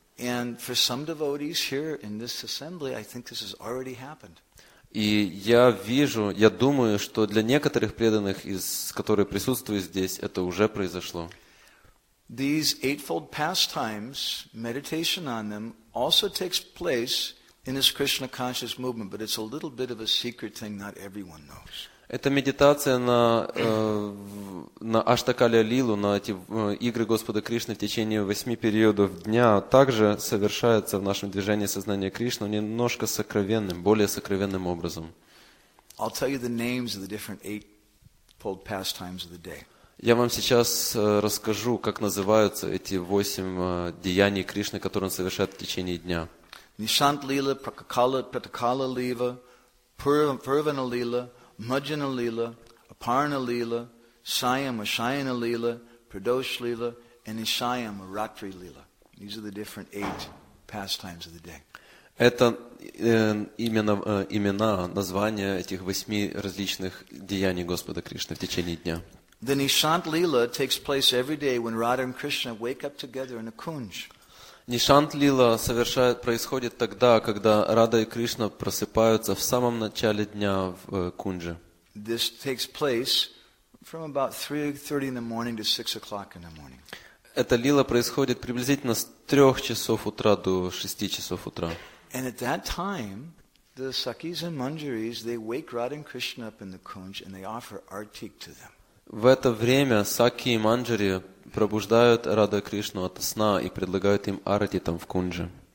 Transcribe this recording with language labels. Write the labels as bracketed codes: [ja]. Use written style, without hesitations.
[en] And for some devotees here in this assembly, I think this has already happened. [ru] И я вижу, я думаю, что для некоторых преданных, которые присутствуют здесь, это уже произошло. [en] These eightfold pastimes, meditation on them, also takes place in this Krishna conscious movement, but it's a little bit of a secret thing not everyone knows. [ru] Эта медитация на Аштакалия Лилу, на эти игры Господа Кришны в течение восьми периодов дня, также совершается в нашем движении сознания Кришны немножко сокровенным, более сокровенным образом. [en] I'll tell you the names of the different eightfold pastimes of the day. [ru] Я вам сейчас расскажу, как называются эти восемь деяний Кришны, которые Он совершает в течение дня. Нишант Лила, Пракакала, Пратакала Лива, Пурвана Лила, Маджана Лила, [en] Aparna Leela, Sayam or Shayana Leela, Pradosh Leela, and Nishayam or Ratri Leela. These are the different eight pastimes of the day. [ru] Это именно имена, названия этих восьми различных деяний Господа Кришны в течение дня. [en] The Nishant Leela takes place every day when Radha and Krishna wake up together in a kunj. [ru] Нишант Лила совершает, происходит тогда, когда Рада и Кришна просыпаются в самом начале дня в кунже. [en] This takes place from about 3:30 in the morning to 6 o'clock in the morning. [ru] Эта лила происходит приблизительно с 3 часов утра до 6 часов утра. [en] And at that time, the Sakis and Manjaris, they wake Radha and Krishna up in the kunj and they offer artik to them. [ru] В это время Саки и Манджари пробуждают Рада Кришну от сна и предлагают им арти там в кунже.